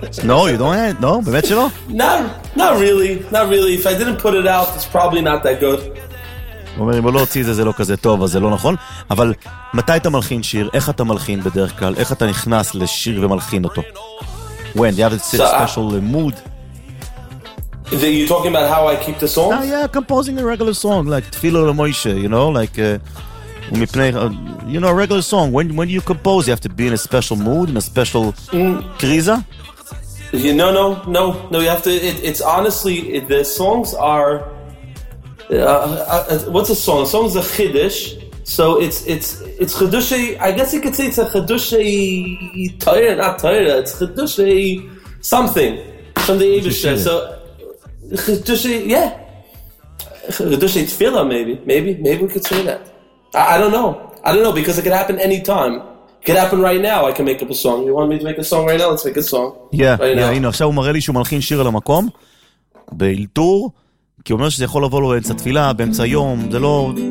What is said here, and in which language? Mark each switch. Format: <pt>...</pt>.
<en>No, you don't have, no,</en> <he>באמת שלא?</he> <en>Not really. If I didn't put it out, it's probably not that good.</en> <he>הוא אומר, אם הוא לא הוציא את זה, זה לא כזה טוב, אז זה לא נכון. אבל מתי אתה מלחין שיר? איך אתה מלחין בדרך כלל? איך אתה נכנס לשיר ומלחין אותו?</he> <en>When? You have a special mood? You're talking about how I keep the song? Nah, yeah, composing a regular song, like Tfilo Lemoyshe, you know? Like, a regular song. When you compose, you have to be in a special mood, in a special kriza? No, you have to... It's honestly, the songs are... what's a song? A song is a chiddush. So it's chiddushy. I guess you could say it's a chiddushy tayra, not tayra. It's chiddushy something from the Yiddish. So chiddushy, yeah. Chiddushy tefillah, maybe we could say that. I don't know because it could happen any time. Could happen right now. I can make up a song. You want me to make a song right now? Let's make a song. Yeah, right</en> <he>yeah.</he> <en>You know,</en> <he>עכשיו הוא מראה לי שהוא מלחין שיר על המקום באלתור. כי הוא אומר שזה יכול לבוא לו באמצע תפילה, באמצע יום, זה לא...</he>